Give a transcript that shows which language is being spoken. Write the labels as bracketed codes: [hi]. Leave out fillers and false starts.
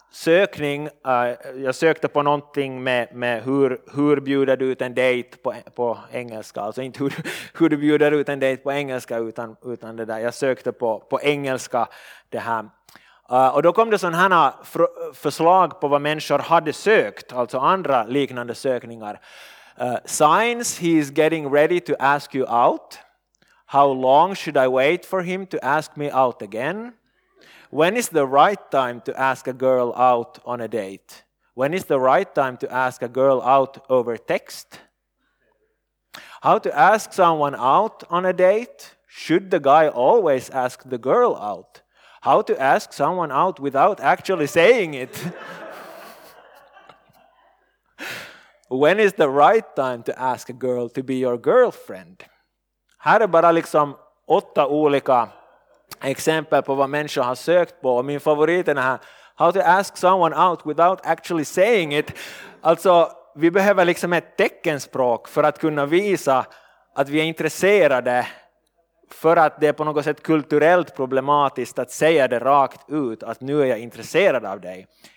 [sv] sökning, jag sökte på någonting med hur bjuder du ut en date på engelska, alltså inte hur du bjuder ut en date på engelska utan det där, jag sökte på engelska det här. Och då kom det sån här förslag på vad människor hade sökt, alltså andra liknande sökningar. [en] Signs he is getting ready to ask you out. How long should I wait for him to ask me out again? When is the right time to ask a girl out on a date? When is the right time to ask a girl out over text? How to ask someone out on a date? Should the guy always ask the girl out? How to ask someone out without actually saying it? When is the right time to ask a girl to be your girlfriend? [sv] Här är bara liksom 8 olika exempel på vad människor har sökt på. Min favorit är den här, [en] how to ask someone out without actually saying it. [sv] Alltså, vi behöver liksom ett teckenspråk för att kunna visa att vi är intresserade, för att det är på något sätt kulturellt problematiskt att säga det rakt ut, att nu är jag intresserad av dig.